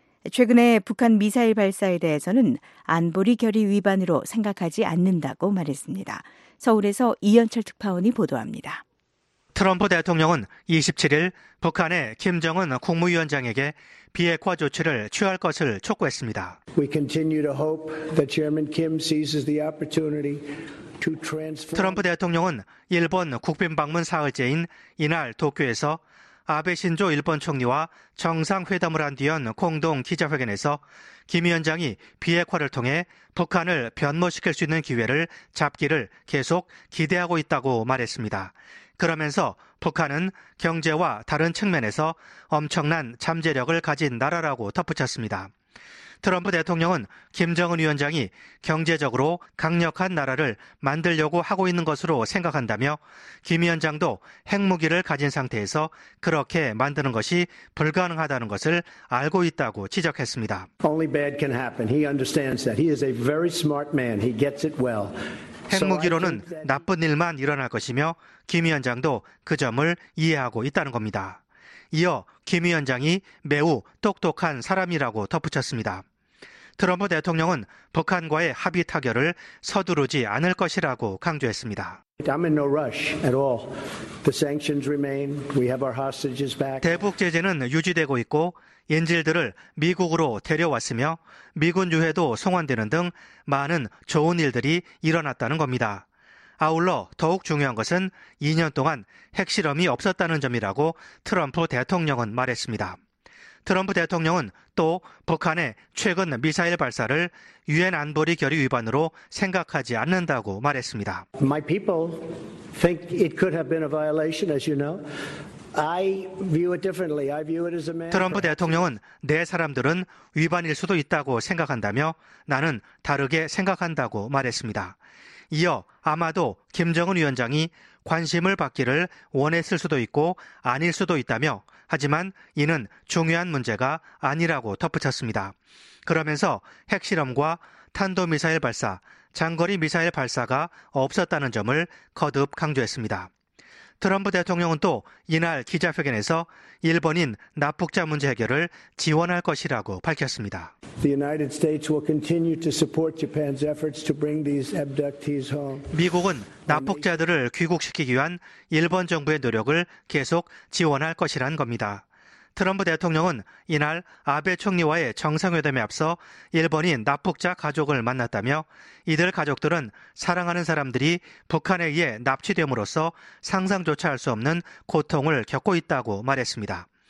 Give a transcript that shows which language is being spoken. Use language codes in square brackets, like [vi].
[ko] 최근에 북한 미사일 발사에 대해서는 안보리 결의 위반으로 생각하지 않는다고 말했습니다. 서울에서 이현철 특파원이 보도합니다. 트럼프 대통령은 27일 북한의 김정은 국무위원장에게 비핵화 조치를 취할 것을 촉구했습니다. [en] We continue to hope that Chairman Kim seizes the opportunity to transfer. [ko] 트럼프 대통령은 일본 국빈 방문 사흘째인 이날 도쿄에서 아베 신조 일본 총리와 정상회담을 한 뒤엔 공동 기자회견에서 김 위원장이 비핵화를 통해 북한을 변모시킬 수 있는 기회를 잡기를 계속 기대하고 있다고 말했습니다. 그러면서 북한은 경제와 다른 측면에서 엄청난 잠재력을 가진 나라라고 덧붙였습니다. 트럼프 대통령은 김정은 위원장이 경제적으로 강력한 나라를 만들려고 하고 있는 것으로 생각한다며 김 위원장도 핵무기를 가진 상태에서 그렇게 만드는 것이 불가능하다는 것을 알고 있다고 지적했습니다. [en] Only bad can happen. He understands that. He is a very smart man. He gets it well. [ko] 핵무기로는 나쁜 일만 일어날 것이며 김 위원장도 그 점을 이해하고 있다는 겁니다. 이어 김 위원장이 매우 똑똑한 사람이라고 덧붙였습니다. 트럼프 대통령은 북한과의 합의 타결을 서두르지 않을 것이라고 강조했습니다. [en] I'm in no rush at all. The sanctions remain. We have our hostages back. [ko] 대북 제재는 유지되고 있고 인질들을 미국으로 데려왔으며 미군 유해도 송환되는 등 많은 좋은 일들이 일어났다는 겁니다. 아울러 더욱 중요한 것은 2년 동안 핵실험이 없었다는 점이라고 트럼프 대통령은 말했습니다. 트럼프 대통령은 또 북한의 최근 미사일 발사를 유엔 안보리 결의 위반으로 생각하지 않는다고 말했습니다. [en] My people think it could have been a violation, as you know. I view it differently. I view it as a man. [ko] 트럼프 대통령은 내 사람들은 위반일 수도 있다고 생각한다며 나는 다르게 생각한다고 말했습니다. 이어 아마도 김정은 위원장이 관심을 받기를 원했을 수도 있고 아닐 수도 있다며 하지만 이는 중요한 문제가 아니라고 덧붙였습니다. 그러면서 핵실험과 탄도미사일 발사, 장거리 미사일 발사가 없었다는 점을 거듭 강조했습니다. 트럼프 대통령은 또 이날 기자회견에서 일본인 납북자 문제 해결을 지원할 것이라고 밝혔습니다. [en] The United States will continue to support Japan's efforts to bring these abductees home. [ko] 미국은 납북자들을 귀국시키기 위한 일본 정부의 노력을 계속 지원할 것이란 겁니다. 트럼프 대통령은 이날 아베 총리와의 정상회담에 앞서 일본인 납북자 가족을 만났다며 이들 가족들은 사랑하는 사람들이 북한에 의해 납치됨으로써 상상조차 할 수 없는 고통을 겪고 있다고 말했습니다.